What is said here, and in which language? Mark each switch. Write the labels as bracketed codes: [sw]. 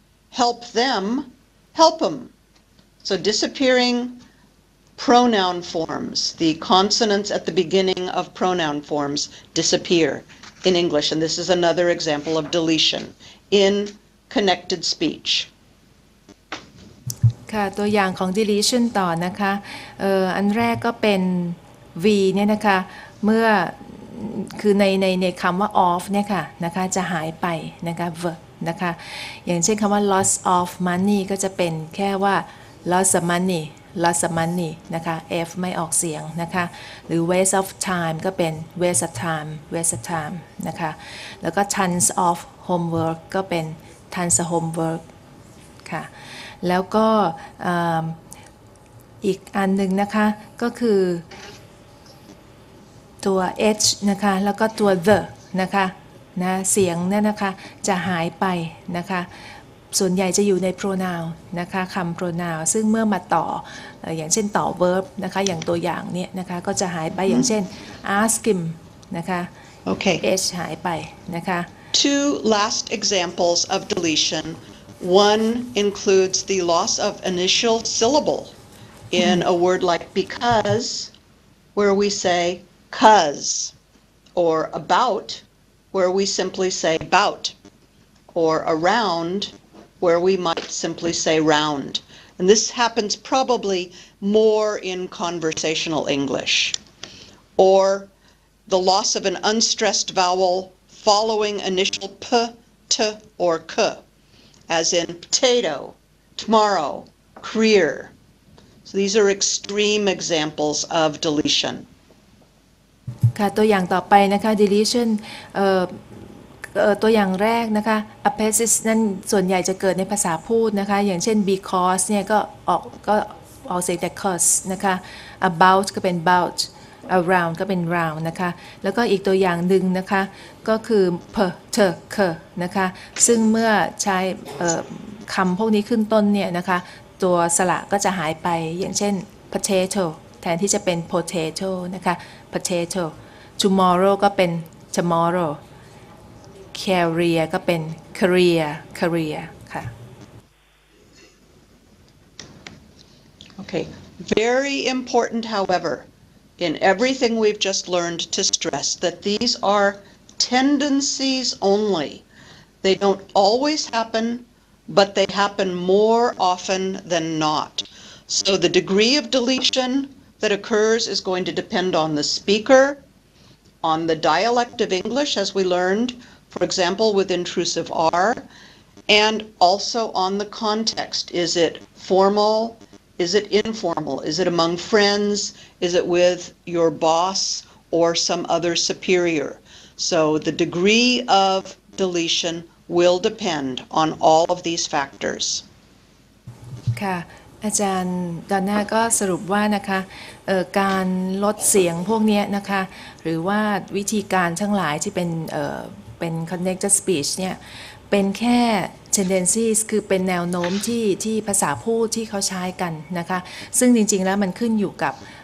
[en] Help them, help them. So disappearing pronoun forms, the consonants at the beginning of pronoun forms disappear in English. And this is another example of deletion in connected speech. [th] ค่ะ ตัวอย่างของ deletion ต่อนะคะ อันแรกก็เป็นV เนี่ยนะคะเมื่อคือในคำว่า off เนี่ยค่ะนะคะจะหายไปนะคะ v นะคะอย่างเช่นคำว่า [en] loss of money [th] ก็จะเป็นแค่ว่า [en] loss of [th] money นะคะ f ไม่ออกเสียงนะคะหรือ [en] waste of time [th] ก็เป็น waste of time นะคะแล้วก็ [en] tons of homework [th] ก็เป็น tons of homework ค่ะแล้วก็อีกอันนึงนะคะก็คือ ตัว h นะคะแล้วก็ตัว the นะคะนะเสียงเนี่ยนะคะจะหายไปนะคะส่วนใหญ่จะอยู่ใน pronoun นะคะคำ pronoun ซึ่งเมื่อมาต่ออย่างเช่นต่อ verb นะคะอย่างตัวอย่างเนี่ยนะคะก็จะหายไปอย่างเช่น [en] ask him [th] นะคะ [en] okay [th] h หายไปนะคะ [en] two last examples of deletion one includes the loss of initial syllable in a word like because where we say cause or about where we simply say bout or around where we might simply say round and this happens probably more in conversational English or the loss of an unstressed vowel following initial p t or k as in potato tomorrow career so these are extreme examples of deletion [th] ค่ะตัวอย่างต่อไปนะคะ deletion ตัวอย่างแรกนะคะ appendix นั่นส่วนใหญ่จะเกิดในภาษาพูดนะคะอย่างเช่น because เนี่ยก็ออกเสียงแต่ cause นะคะ about ก็เป็น bout around ก็เป็น round นะคะแล้วก็อีกตัวอย่างหนึ่งนะคะก็คือ per t e r k นะคะซึ่งเมื่อใช้ คำพวกนี้ขึ้นต้นเนี่ยนะคะตัวสระก็จะหายไปอย่างเช่น potatoแทนที่จะเป็น potato นะคะ potato tomorrow ก็เป็น tomorrow career ก็เป็น career ค่ะ [en] okay very important however in everything we've just learned to stress that these are tendencies only they don't always happen but they happen more often than not so the degree of deletionthat occurs is going to depend on the speaker, on the dialect of English, as we learned, for example, with intrusive R, and also on the context. Is it formal? Is it informal? Is it among friends? Is it with your boss or some other superior? So the degree of deletion will depend on all of these factors. Okay. [th] อาจารย์ดอนน่าก็สรุปว่านะคะการลดเสียงพวกนี้นะคะหรือว่าวิธีการทั้งหลายที่เป็น connected speech เนี่ยเป็นแค่ tendencies คือเป็นแนวโน้มที่ภาษาพูดที่เขาใช้กันนะคะซึ่งจริงๆแล้วมันขึ้นอยู่กับ